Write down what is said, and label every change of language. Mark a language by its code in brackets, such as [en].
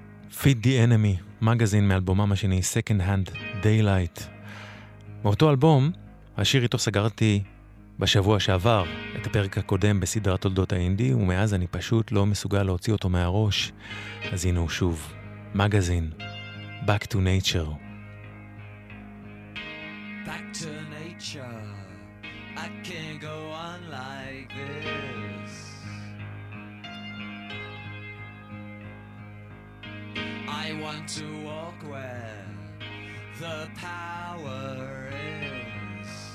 [he] Feed the Enemy, מגזין מאלבומם השני, Second Hand Daylight. באותו אלבום, השיר איתו סגרתי בשבוע שעבר את הפרק הקודם בסדרת תולדות האינדי, ומאז אני פשוט לא מסוגל להוציא אותו מהראש. אז הנה הוא שוב, מגזין, Back to Nature. [en] Back to Nature, I can't go on like this. I want to walk where the power is.